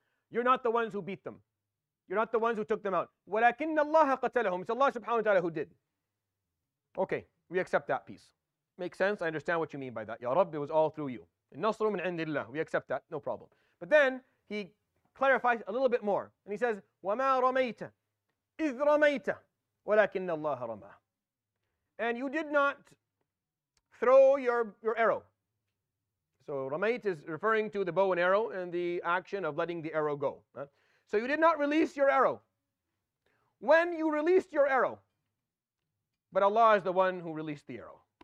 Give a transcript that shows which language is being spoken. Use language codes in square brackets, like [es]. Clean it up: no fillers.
[en] You're not the ones who beat them. You're not the ones who took them out. وَلَكِنَّ اللَّهَ قَتَلَهُمْ. It's Allah subhanahu wa ta'ala who did. Okay, we accept that piece. Makes sense? I understand what you mean by that. Ya Rabbi, it was all through you. [ar] النَّصْرُ مِنْ عِنْدِ اللَّهِ. [en] We accept that, no problem. But then he clarifies a little bit more. And he says, [ar] وَمَا رَمَيْتَ إِذْ رَمَيْتَ وَلَكِنَّ اللَّهَ رَمَى. [en] And you did not throw your arrow. So ramayt is referring to the bow and arrow and the action of letting the arrow go. So you did not release your arrow. When you released your arrow, but Allah is the one who released the arrow.